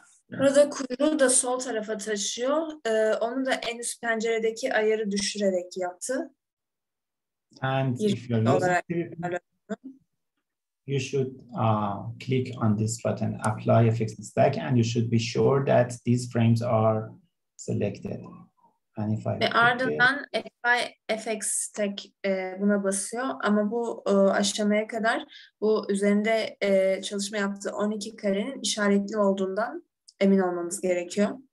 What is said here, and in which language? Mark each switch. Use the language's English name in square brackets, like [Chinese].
[Turkish] Burada kuyruğu da sol tarafa taşıyor. Onu da en üst penceredeki ayarı düşürerek yaptı. [English] And if you're you should click on this button, apply FX stack, and you should be sure that these frames are selected. And if I [Turkish] ve ardından apply FX stack buna basıyor. Ama bu aşamaya kadar bu üzerinde çalışma yaptığı 12 karenin işaretli olduğundan emin olmamız gerekiyor.